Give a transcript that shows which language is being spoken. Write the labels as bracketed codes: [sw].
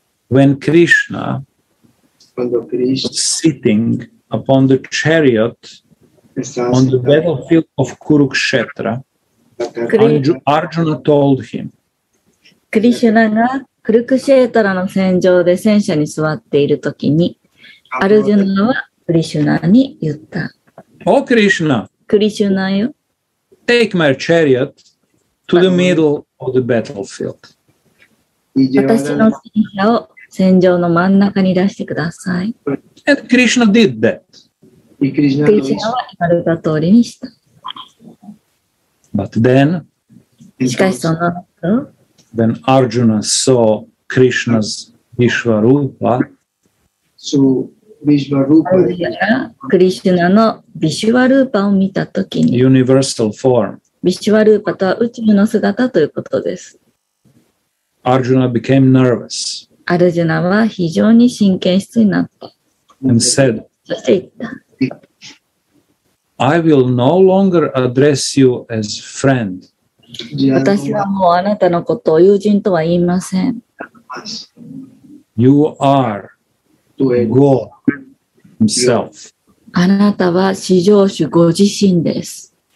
[en] When Krishna was sitting upon the chariot on the battlefield of Kurukshetra,Arjuna told him. [ja] クリシュナがクルクシェータラの戦場で戦車に座っているときに、アルジュナはクリシュナに言った。 [en] Oh, Krishna! [ja] クリシュナよ。 [en] Take my chariot to the middle of the battlefield. [ja] 私の戦車を戦場の真ん中に出してください。 [en] And Krishna did that. [ja] クリシュナは言われた通りにした。 [en] But then, [ja] しかしその後、 [en] when Arjuna saw Krishna's Vishwarupa, [ja] クリシュナのビシュワルーパを見たときに、 [en] universal form, [ja] ビシュワルーパとは宇宙の姿ということです。 [en] Arjuna became nervous. [ja] アルジュナは非常に神経質になった。 [en] And said, [ja] そして言った。 [en] I will no longer address you as friend. [ja] 私はもうあなたのことを友人とは言いません。 [en] You are God himself. [ja] あなたは至上主ご自身です。